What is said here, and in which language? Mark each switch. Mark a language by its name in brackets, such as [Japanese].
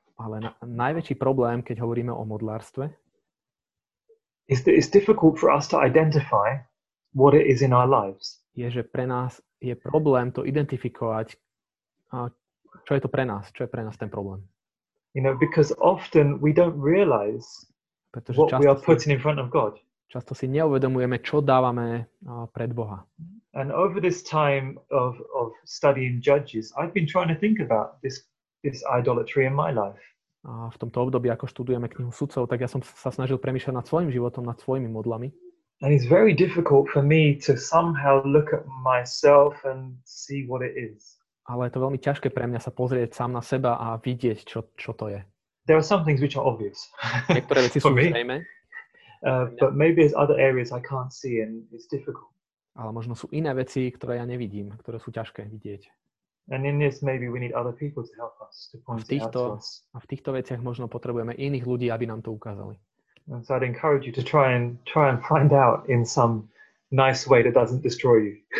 [Slovak] Ale najväčší problém, keď hovoríme o modlárstve, [English] is that it's difficult for us to identify what it is in our lives. [Slovak] Je, že pre nás je problém to identifikovať, čo je to pre nás, čo je pre nás ten problém. [English] You know, because often we don't realize what we are putting in front of God. [Slovak] Často si neuvedomujeme, čo dávame pred Boha. [English] And over this time of studying Judges, I've been trying to think about this idolatry in my life. [Slovak] A v tomto období, ako študujeme knihu sudcov, tak ja som sa snažil premýšľať nad svojim životom, nad svojimi modlami. [English] And it's very difficult for me to somehow look at myself and see what it is. [Slovak] Ale je to veľmi ťažké pre mňa sa pozrieť sám na seba a vidieť, čo to je. [English] There are some things which are obvious. [Slovak] Niektoré veci sú zrejmé. [English] But maybe there's other areas I can't see and it's difficult. [Slovak] Ale možno sú iné veci, ktoré ja nevidím, ktoré sú ťažké vidieť. [English] And in this maybe we need other people to help us to point it out to us. [Slovak] A v týchto veciach možno potrebujeme iných ľudí, aby nám to ukázali. [English] And so I'd encourage you to try and find out in some nice way that doesn't destroy you.